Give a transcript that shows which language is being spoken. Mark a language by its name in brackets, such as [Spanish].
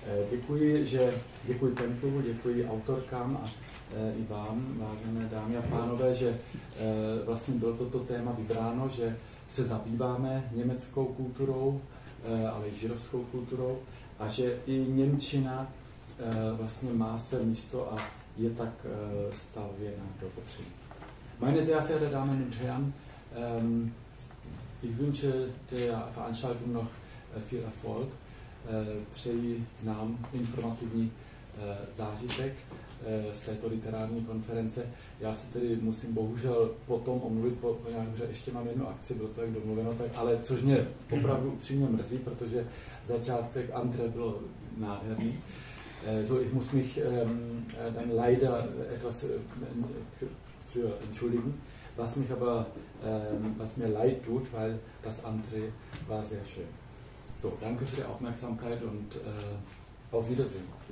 [Czech] Děkuji, že děkuji Templu, děkuji autorkám a i vám, vážené dámy a pánové, že vlastně bylo toto téma vybráno, že se zabýváme německou kulturou, ale i židovskou kulturou a že i němčina vlastně má své místo a je tak stavěna do potřeby. [German] Meine sehr verehrte Damen und Herren, ich wünsche der Veranstaltung noch viel Erfolg. [Czech] Přeji nám informativní zážitek z této literární konference. Já se tedy musím bohužel potom omluvit, protože ještě mám jednu akci, bylo to tak domluveno, ale což mě opravdu upřímně mrzí, protože začátek antre byl nádherný. [German] So, ich muss mich dann leider etwas für entschuldigen, was mich aber, was mir leid tut, weil das antre war sehr schön. So, danke für die Aufmerksamkeit und auf Wiedersehen.